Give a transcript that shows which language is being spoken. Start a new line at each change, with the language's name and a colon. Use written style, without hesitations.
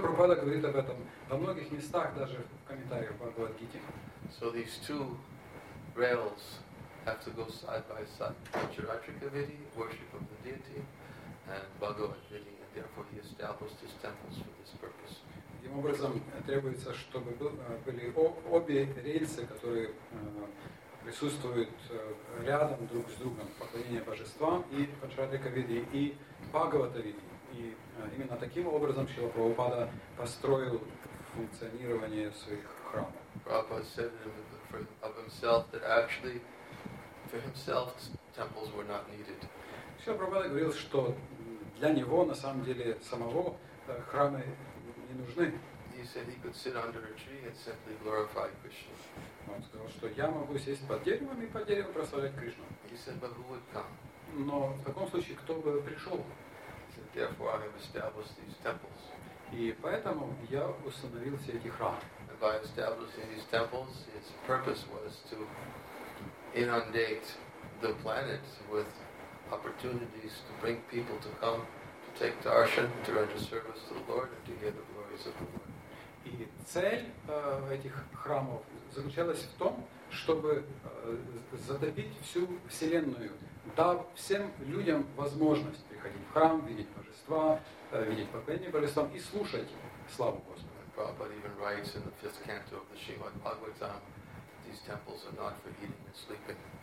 Russian: Прабхупада говорит об этом во многих местах, даже в комментариях в Бхагавад-гите.
English: So these two rails have to go side by side. Pancharatrika Vidhi, worship of the deity, and Bhagavad Vidhi, and therefore he established his temples for this purpose.
Russian: Таким образом, требуется, чтобы были обе рельсы, которые присутствуют рядом друг с другом, поклонение божествам и Pancharatrika Vidhi, и Bhagavad Vidhi. И именно таким образом Шрила Прабхупада построил функционирование своих храмов.
English: Prabhupada said of himself that actually for himself temples were not needed.
Russian: Шрила Прабхупада говорил, что для него, на самом деле, самого храмы не нужны.
English: He said he could sit under a tree and simply glorify Krishna.
Russian: Он сказал, что я могу сесть под деревом и под деревом прославлять Кришну.
English: He said, but who would come?
Russian: Но в таком случае, кто бы пришел?
English: He said, therefore I have established these temples.
Russian: И поэтому я установил все эти храмы.
English: And by establishing these temples, its purpose was to inundate the planet with opportunities to bring people to come to take darshan, to render service to the Lord, and to hear the glories of the Lord.
Russian: И цель этих храмов заключалась в том, чтобы затопить всю вселенную, дав всем людям возможность приходить в храм, видеть божества, видеть поклонение божествам и слушать славу Господа.
English: Prabhupada even writes in the fifth canto of the Srimad Bhagavatam that these temples are not for eating and sleeping.